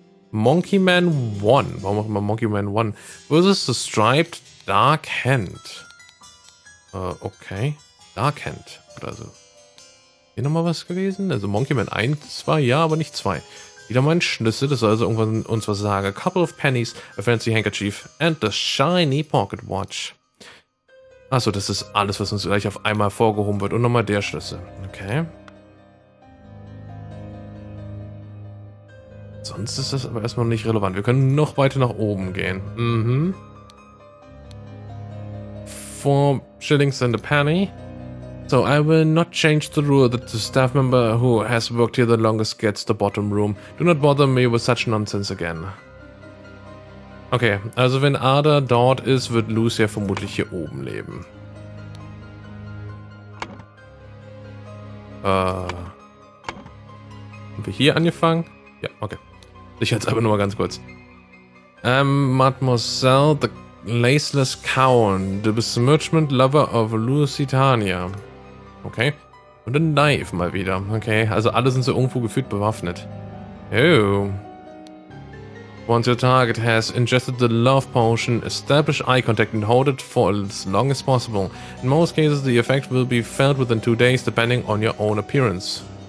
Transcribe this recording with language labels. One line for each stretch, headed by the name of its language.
German: Monkey Man 1. Warum auch immer Monkey Man 1? Versus the Striped Dark Hand. Okay. Dark Hand. Oder so. Hier nochmal was gewesen? Also Monkey Man 1, 2, ja, aber nicht 2. Wieder mal ein Schlüssel, das soll also irgendwann uns was sagen.
English: A couple of pennies, a fancy handkerchief, and the shiny pocket watch.
German: Achso, das ist alles, was uns gleich auf einmal vorgehoben wird. Und nochmal der Schlüssel. Okay. Sonst ist das aber erstmal nicht relevant. Wir können noch weiter nach oben gehen. Mhm.
English: Four shillings and a penny. So, I will not change the rule that the staff member who has worked here the longest gets the bottom room. Do not bother me with such nonsense again.
German: Okay, also wenn Ada dort ist, wird Lucia vermutlich hier oben leben. Haben wir hier angefangen? Ja, okay. Ich halte es aber nur mal ganz kurz.
English: Mademoiselle, the Laceless Cowan, the besmirchment lover of Lusitania. Okay.
German: Und ein Knife mal wieder. Okay, also alle sind so irgendwo gefühlt bewaffnet. Oh.
English: Once your target has ingested the love potion, establish eye contact and hold it for as long as possible. In most cases, the effect will be felt within 2 days, depending on your own appearance.